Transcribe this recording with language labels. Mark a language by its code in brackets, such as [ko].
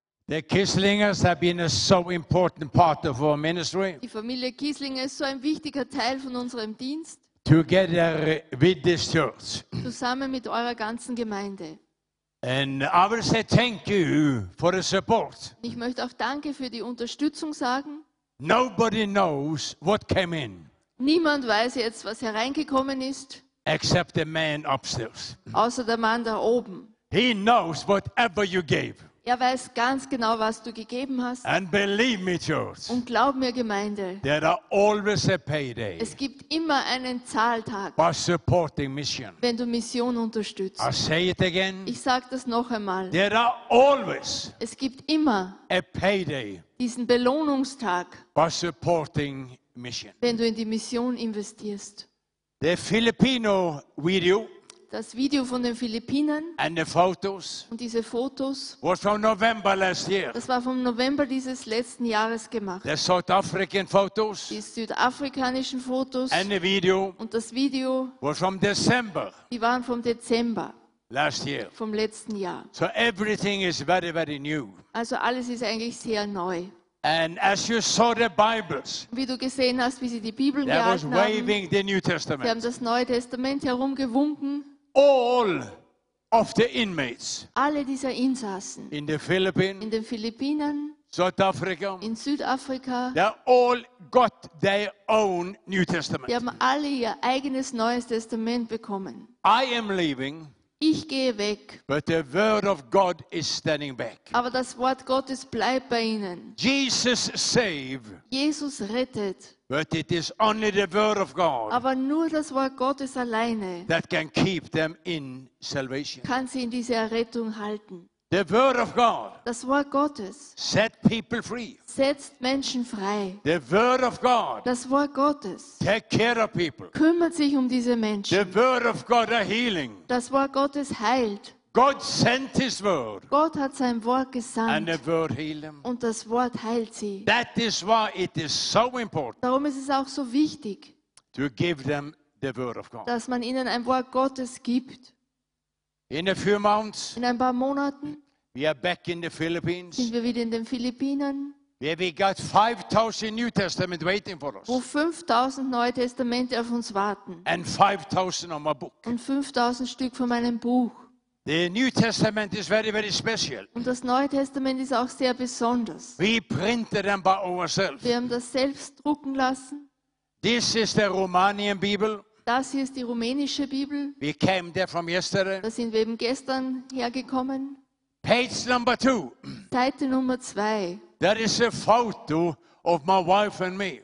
[en] The Kisslingers have been a so important part of our ministry. [de] Die Familie Kisslinger ist so ein wichtiger Teil von unserem Dienst. [en] Together with this church. [de] Zusammen mit eurer ganzen Gemeinde. [en] And I will say thank you for the support. [de] Ich möchte auch Danke für die Unterstützung sagen. [en] Nobody knows what came in. [de] Niemand weiß jetzt, was hereingekommen ist. [en] Except the man upstairs. [de] Außer der Mann da oben. [en] He knows whatever you gave. [de] Er weiß ganz genau, was du gegeben hast. [en] And believe me, church, [de] und glaub mir, Gemeinde, [en] there are always a payday, [de] es gibt immer einen Zahltag, [en] by supporting mission. [de] Wenn du Mission unterstützt. [en] I say it again, [de] ich sage das noch einmal. [en] There are always, [de] es gibt immer [en] a payday, [de] diesen Belohnungstag, [en] by supporting mission. [de] Wenn du in die Mission investierst. [en] The Filipino video, [de] das Video von den Philippinen [en] and the photos, [de] und diese Fotos, [en] was from November last year. [de] Das war vom November dieses letzten Jahres gemacht. [en] The South African photos, [de] die südafrikanischen Fotos [en] and the video, [de] und das Video, [en] was from December, [de] die waren vom Dezember [en] last year. [de] Vom letzten Jahr. [en] So everything is very, very new. [de] Also alles ist eigentlich sehr neu. [en] And as you saw the Bibles, [de] wie du gesehen hast, wie sie die Bibel gehalten haben, [en] they were waving the New Testament. [de] Sie haben das Neue Testament herumgewunken. [en] All of the inmates, [de] alle dieser Insassen, [en] in the Philippines, [de] in den Philippinen, [en] South Africa, [de] in Südafrika, [en] they all got their own New Testament. [de] Sie haben alle ihr eigenes Neues Testament bekommen. [en] I am leaving. [de] Ich gehe weg. [en] But the word of God is standing back. [de] Aber das Wort Gottes bleibt bei ihnen. [en] Jesus save. [de] Jesus rettet. [en] But it is only the word of God. [de] Aber nur das Wort Gottes alleine. [en] That can keep them in salvation. [de] Kann sie in diese Errettung halten. [en] The word of God. [de] Das Wort Gottes. [en] Set people free. [de] Setzt Menschen frei. [en] The word of God. [de] Das Wort Gottes. [en] Take care of people. [de] Kümmert sich um diese Menschen. [en] The word of God a healing. [de] Das Wort Gottes heilt. [en] God sent his word. [de] Gott hat sein Wort gesandt. [en] And the word healed them. [de] Und das Wort heilt sie. [en] That is why it is so important. [de] Darum ist es auch so wichtig. [en] To give them the word of God. [de] Dass man ihnen ein Wort Gottes gibt. [en] In a few months, [de] in ein paar Monaten, [en] we are back in the Philippines, [de] sind wir wieder in den Philippinen, [en] where we got 5,000 New Testament waiting for us, [de] wo 5,000 Neue Testamente auf uns warten, [en] and 5,000 of my book, [de] und 5,000 Stück von meinem Buch. [en] The New Testament is very, very special. [de] Und das Neue Testament ist auch sehr besonders. [en] We printed them by ourselves. [de] Wir haben das selbst drucken lassen. [en] This is the Romanian Bible. [de] Das hier ist die rumänische Bibel. [en] We came there from yesterday. [de] Da sind wir eben gestern hergekommen. [en] Page number two. [de] Seite Nummer 2. [en] There is a photo of my wife and me.